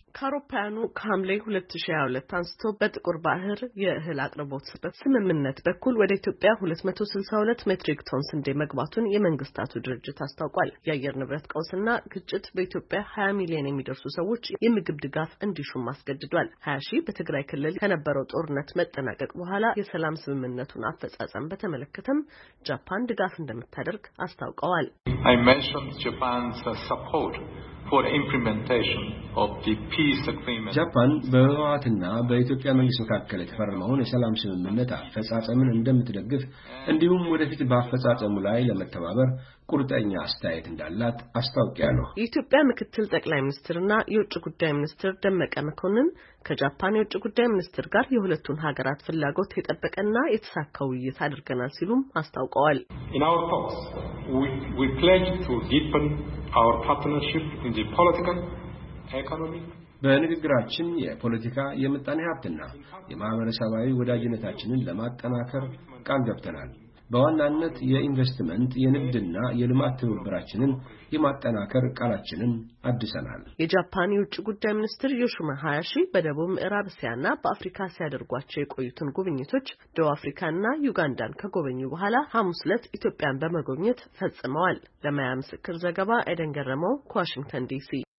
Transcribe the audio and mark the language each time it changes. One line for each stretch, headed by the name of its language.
Amharic: ካሮፓኑ ካምሌ 2022 አንስቶ በጥቁር ባህር የእህል አቅርቦት ስምምነት በኩል ወደ ኢትዮጵያ 262 ሜትሪክ ቶን ስንዴ መግባቱን የመንግስታቱ ድርጅት አስታውቋል። የአየር ንብረት ቀውስና ግጭት በኢትዮጵያ 20 ሚሊዮን የሚደርሱ ሰዎች የምግብ ድጋፍ እንዲሹም አስገድዷል። 20 ሺህ በትግራይ ክልል ከነበረው ጦርነት መጠናቀቅ በኋላ የሰላም ስምምነቱን አፈጻጸም በተመለከተም ጃፓን ድጋፍ እንደምታደርግ አስታውቀዋል።
English: I mentioned Japan's support for implementation of the peace agreement.
Amharic: ጃፓን በህወሓትና በኢትዮጵያ መንግስት መካከል የተፈረመውን የሰላም ስምምነት አፈጻጸምን እንደምትደግፍ እንዲሁም ወደፊት በአፈጻጸሙ ላይ ለመተባበር ቁርጠኛ አስተያየት እንዳላት አስታውቀዋል። የኢትዮጵያ ምክትል ጠቅላይ ሚኒስትርና የውጭ ጉዳይ ሚኒስትር ደመቀ መኮንን ከጃፓን የውጭ ጉዳይ ሚኒስትር ጋር የሁለቱን ሀገራት ፍላጎት የተጠበቀና የተሳካ ውይይት አድርገናል ሲሉም አስታውቀዋል።
English: In our talks, we pledged to deepen our partnership in the political economy.
Amharic: በንግግራችን የፖለቲካ የምጣኔ ሀብትና የማህበረሰባዊ ወዳጅነታችንን ለማጠናከር ቃል ገብተናል። በዋናነት የኢንቨስትመንት የንግድና የልማት ትብብራችንን የማጠናከር ቃላችንን አድሰናል። የጃፓን የውጭ ጉዳይ ሚኒስትር ዮሹማ ሃያሺ በደቡብ ምዕራብ እስያና በአፍሪካ ሲያደርጓቸው የቆዩትን ጉብኝቶች ደቡብ አፍሪካና ዩጋንዳን ከጎበኙ በኋላ ሐሙስ ዕለት ኢትዮጵያን በመጎብኘት ፈጽመዋል። ለማያ ምስክር ዘገባ አይደን ገረመው ከዋሽንግተን ዲሲ።